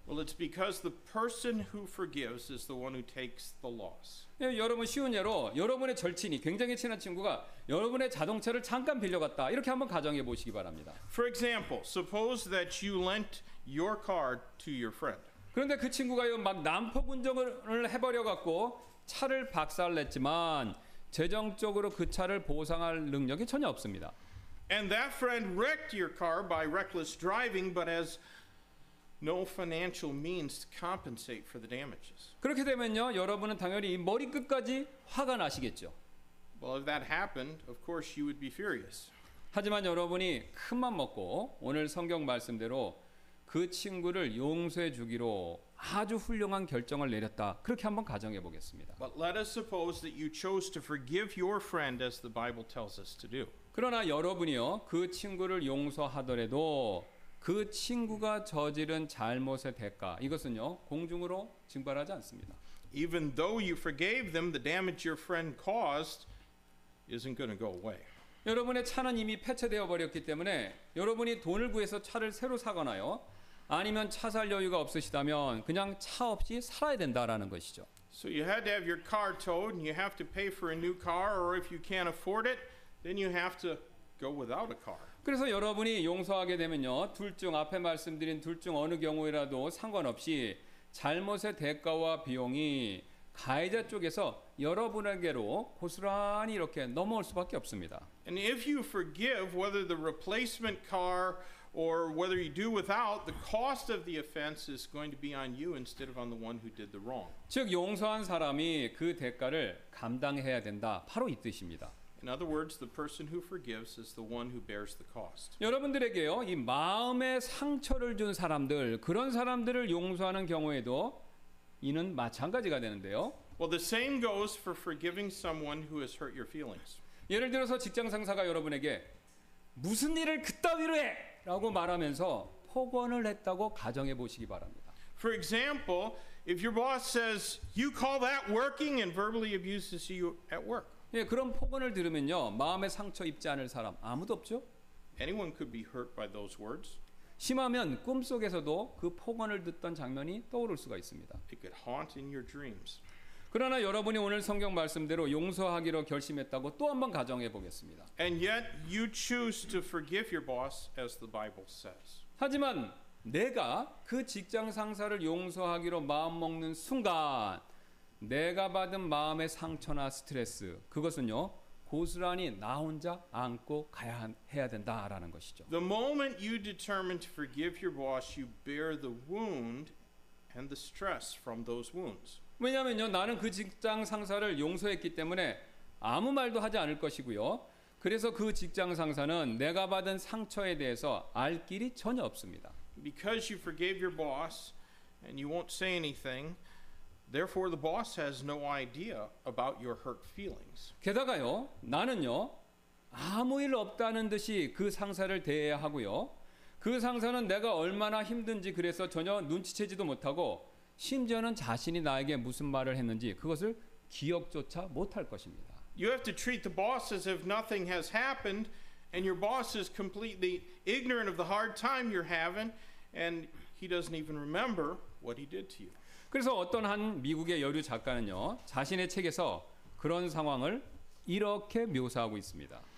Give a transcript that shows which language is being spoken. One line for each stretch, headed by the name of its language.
English: Well, it's because the person who forgives is the one who takes the loss.
Korean: 예, 여러분 쉬운 예로 여러분의 절친이 굉장히 친한 친구가 여러분의 자동차를 잠깐 빌려갔다 이렇게 한번 가정해 보시기 바랍니다.
English: For example, suppose that you lent your car to your friend.
Korean: 그런데 그 친구가 막 난폭운전을 해버려 갖고 차를 박살냈지만 재정적으로 그 차를 보상할 능력이 전혀 없습니다.
English: And that friend wrecked your car by reckless driving, but has no financial means to compensate for the damages.
Korean: 그렇게 되면요, 여러분은 당연히 머리 끝까지 화가 나시겠죠.
English: Well, if that happened, of course you would be furious.
Korean: 하지만 여러분이 큰맘 먹고 오늘 성경 말씀대로 그 친구를 용서해 주기로 아주 훌륭한 결정을 내렸다. 그렇게 한번 가정해 보겠습니다.
English: But let us suppose that you chose to forgive your friend as the Bible tells us to do.
Korean: 그러나 여러분이요 그 친구를 용서하더라도 그 친구가 저지른 잘못의 대가 이것은요 공중으로 증발하지 않습니다.
English: Even though you forgave them, the damage your friend caused isn't going to go away.
Korean: 여러분의 차는 이미 폐차되어 버렸기 때문에 여러분이 돈을 구해서 차를 새로 사거나요 아니면 차 살 여유가 없으시다면 그냥 차 없이 살아야 된다라는 것이죠.
English: So you had to have your car towed, and you have to pay for a new car, or if you can't afford it, then you have to go without a car.
Korean: 그래서 여러분이 용서하게 되면요, 둘 중 앞에 말씀드린 둘 중 어느 경우이라도 상관없이 잘못의 대가와 비용이 가해자 쪽에서 여러분에게로 고스란히 이렇게 넘어올 수밖에 없습니다.
English: And if you forgive, whether the replacement car or whether you do without, the cost of the offense is going to be on you instead of on the one who did the wrong.
Korean: 즉 용서한 사람이 그 대가를 감당해야 된다. 바로 이 뜻입니다.
English: In other words, the person who forgives is the one who bears the cost.
Korean: 여러분들에게요, 이 마음에 상처를 준 사람들, 그런 사람들을 용서하는 경우에도 이는 마찬가지가 되는데요.
English: Well, the same goes for forgiving someone who has hurt your feelings.
Korean: 예를 들어서 직장 상사가 여러분에게 무슨 일을 그따위로 해? 라고 말하면서 폭언을 했다고 가정해 보시기 바랍니다.
English: For example, if your boss says, you call that working and verbally abuses you at work.
Korean: 예, 그런 폭언을 들으면요, 마음에 상처 입지 않을 사람 아무도 없죠.
English: Anyone could be hurt by those words.
Korean: 심하면 꿈속에서도 그 폭언을 듣던 장면이 떠오를 수가 있습니다.
English: It could haunt in your dreams.
Korean: 그러나 여러분이 오늘 성경 말씀대로 용서하기로 결심했다고 또 한번 가정해 보겠습니다.
English: And yet you choose to forgive your boss as the Bible says.
Korean: 하지만 내가 그 직장 상사를 용서하기로 마음 먹는 순간 내가 받은 마음의 상처나 스트레스 그것은요 고스란히 나 혼자 안고 가야 해야 된다라는 것이죠.
English: The moment you determine to forgive your boss, you bear the wound and the stress from those wounds.
Korean: 왜냐하면요, 나는 그 직장 상사를 용서했기 때문에 아무 말도 하지 않을 것이고요. 그래서 그 직장 상사는 내가 받은 상처에 대해서 알 길이 전혀 없습니다.
English: Because you forgave your boss and you won't say anything, therefore the boss has no idea about your hurt feelings.
Korean: 게다가요, 나는요 아무 일 없다는 듯이 그 상사를 대해야 하고요. 그 상사는 내가 얼마나 힘든지 그래서 전혀 눈치채지도 못하고. 심지어는 자신이 나에게 무슨 말을 했는지 그것을 기억조차 못할 것입니다.
English: You have to treat the boss as if nothing has happened, and your boss is completely ignorant of the hard time you're having, and he doesn't even remember what he did to you.
Korean: 그래서 어떤 한 미국의 여류 작가는요 자신의 책에서 그런 상황을 이렇게 묘사하고 있습니다.